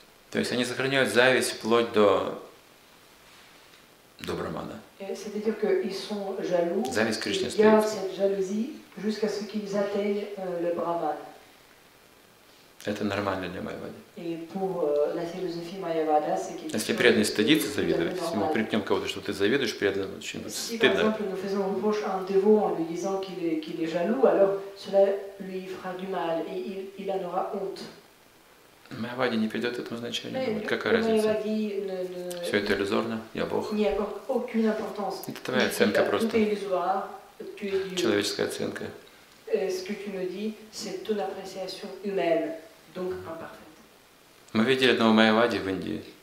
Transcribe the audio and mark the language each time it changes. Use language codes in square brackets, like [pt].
[ru] То есть они сохраняют зависть вплоть до брахмана. [fr] C'est-à-dire que ils sont jaloux. [ru] Зависть к Кришне. [fr] Gardent cette jalousie jusqu'à ce qu'ils atteignent le brahman. [ru] Это нормально для майявады. [fr] И pour la philosophie mayavada, c'est qu'ils. [ru] Если преданный стыдится завидовать, если мы притнем кого-то, что ты завидуешь, преданному очень стыдно. [fr] Si par exemple nous faisons reproche à un dévot en lui disant qu'il est jaloux, alors cela lui fera du mal et il en aura honte. [ru] Майявади не придет этому значению. Думает, какая разница? Все это иллюзорно. Я Бог. Это твоя оценка просто. Человеческая оценка. Мы видели одного майявади в Индии.